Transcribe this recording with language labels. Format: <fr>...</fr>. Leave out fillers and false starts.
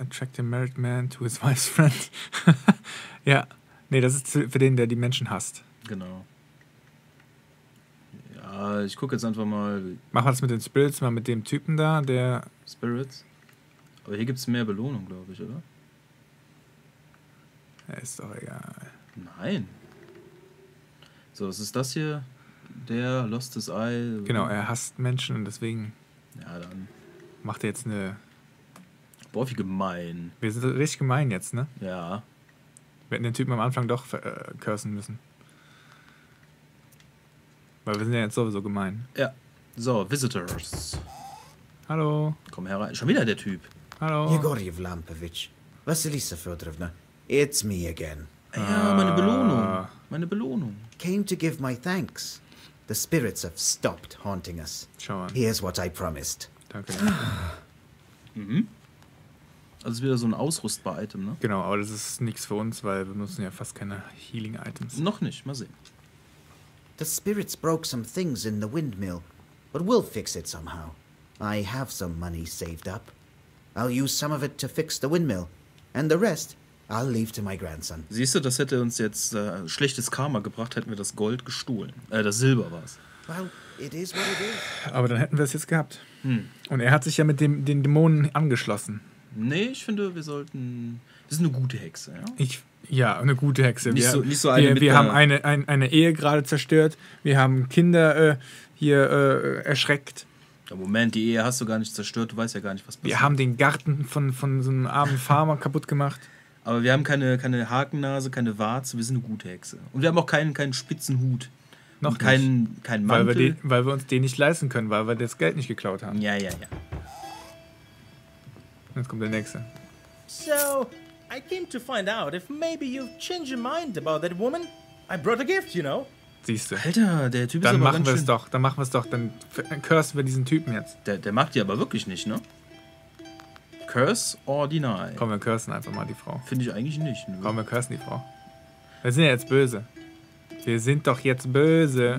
<en>Attract a married man to his wife's friend.</en> <de>Ja, nee, das ist für den, der die Menschen hasst. Genau. Ja, ich gucke jetzt einfach mal... Machen wir das mit den Spirits, mal mit dem Typen da, der...</de> <en>Spirits?</en> <de>Aber hier gibt es mehr Belohnung, glaube ich, oder? Ja, ist doch egal. Nein. So, was ist das hier? Der</de> <en>lost his eye.</en> <de>Genau, er hasst Menschen und deswegen... Ja, dann. Macht er jetzt eine. Boah, wie gemein. Wir sind richtig gemein jetzt, ne? Ja. Wir hätten den Typen am Anfang doch cursen müssen. Weil wir sind ja jetzt sowieso gemein. Ja. So, Visitors. Hallo. Komm herein. Schon wieder der Typ. Hallo.</de> <en>Yegory Vlampovich. Vasilisa Fyodorovna. It's me again.</en> <de>Ja, meine Belohnung. Meine Belohnung.</de> <en>Came to give my thanks. The spirits have stopped haunting us.</en> <de>Schauen.</de> <en>Here's what I promised.</en> <de>Danke. Mhm. Also ist wieder so ein Ausrüstbar-Item, ne? Genau, aber das ist nichts für uns, weil wir nutzen ja fast keine Healing-Items. Noch nicht, mal sehen.</de> <en>The spirits broke some things in the windmill, but we'll fix it somehow. I have some money saved up. I'll use some of it to fix the windmill, and the rest I'll leave to my grandson.</en> <de>Siehst du, das hätte uns jetzt schlechtes Karma gebracht, hätten wir das Gold gestohlen. Das Silber war's.</de> <en>Well, it is what it is.</en> <de>Aber dann hätten wir es jetzt gehabt. Hm. Und er hat sich ja mit den Dämonen angeschlossen. Nee, ich finde, wir sollten... Wir sind eine gute Hexe, ja? Eine gute Hexe. Nicht so eine... Wir haben eine Ehe gerade zerstört. Wir haben Kinder erschreckt. Moment, die Ehe hast du gar nicht zerstört. Du weißt ja gar nicht, was passiert. Wir haben den Garten von so einem armen Farmer kaputt gemacht. Aber wir haben keine Hakennase, keine Warze, wir sind eine gute Hexe. Und wir haben auch keinen spitzen Hut. Noch nicht. Keinen Mantel. Weil wir uns den nicht leisten können, weil wir das Geld nicht geklaut haben. Ja, ja, ja. Jetzt kommt der Nächste.</de> <en>So, I came to find out if maybe you've changed your mind about that woman. I brought a gift, you know.</en> <de>Siehst du. Alter, der Typ dann ist aber ganz schön... Dann machen wir es doch. Dann cursen wir diesen Typen jetzt. Der mag die aber wirklich nicht, ne?</de> <en>Curse or deny?</en> <de>Komm, wir cursen einfach mal die Frau. Finde ich eigentlich nicht. Ne? Komm, wir cursen die Frau. Wir sind ja jetzt böse. Wir sind doch jetzt böse.</de>